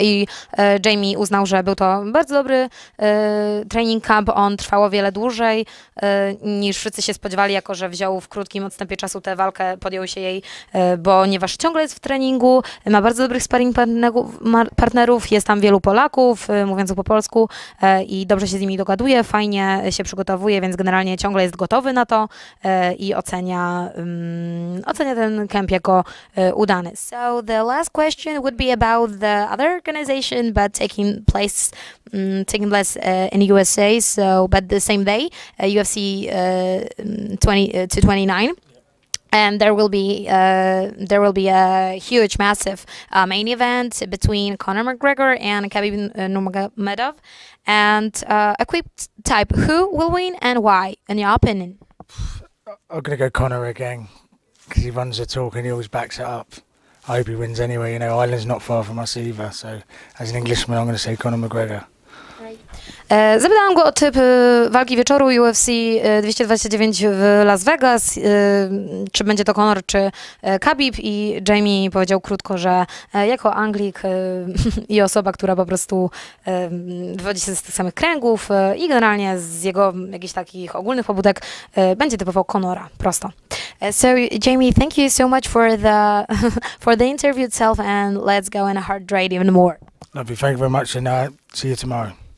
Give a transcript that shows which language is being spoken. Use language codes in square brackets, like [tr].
[pl] I Jamie uznał, że był to bardzo dobry training camp, on trwał o wiele dłużej niż wszyscy się spodziewali, jako że wziął w krótkim odstępie czasu tę walkę, podjął się jej, ponieważ ciągle jest w treningu, ma bardzo dobrych sparring partnerów, jest tam wielu Polaków, mówiąc po polsku, i dobrze się z nimi dogaduje, fajnie się przygotowuje, więc generalnie ciągle jest gotowy na to i ocenia ten camp jako udany. [en] So the last question would be about the other organization, but taking place in USA, so but the same day, UFC 20-29, and there will be a huge, massive main event between Conor McGregor and Khabib Nurmagomedov. And type, who will win and why, in your opinion? I'm gonna go Conor again because he runs the talk and he always backs it up. I hope he wins anyway. You know, Ireland's not far from us either. So, as an Englishman, I'm going to say Conor McGregor. [pl] Zapytałam go o typ walki wieczoru UFC 229 w Las Vegas. Czy będzie to Conor, czy Khabib? I Jamie powiedział krótko, że jako Anglik i osoba, która po prostu wywodzi się z tych samych kręgów i generalnie z jego jakichś takich ogólnych pobudek, będzie typował Conora. Prosto. [en] So Jamie, thank you so much for the interview itself, and let's go in a heart rate even more. Lovely, thank you very much, and see you tomorrow.